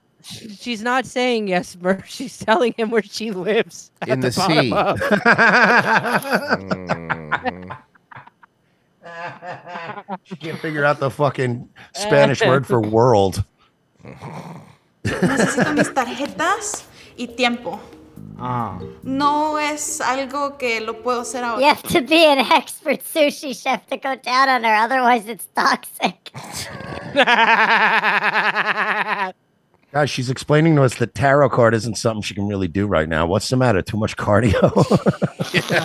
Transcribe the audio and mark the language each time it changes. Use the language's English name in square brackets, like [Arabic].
[English] She's not saying yes, Murph. She's telling him where she lives. In the sea. She can't figure out the fucking Spanish word for world. [Spanish] Necesito mis tarjetas y tiempo. No es algo que lo puedo hacer ahora. [English] You have to be an expert sushi chef to go down on her, otherwise it's toxic. Guys, she's explaining to us that tarot card isn't something she can really do right now. What's the matter? Too much cardio?